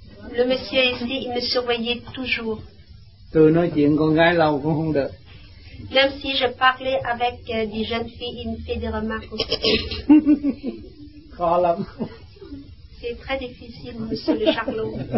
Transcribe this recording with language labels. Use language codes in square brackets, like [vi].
[fr] Le monsieur ici, il me surveillait toujours. [vi] Tôi nói chuyện con gái lâu cũng không được. [fr] Même si je parlais avec des jeunes filles, il me fait des remarques aussi. [vi] Khó lắm. [fr] C'est très difficile, monsieur le Charlot.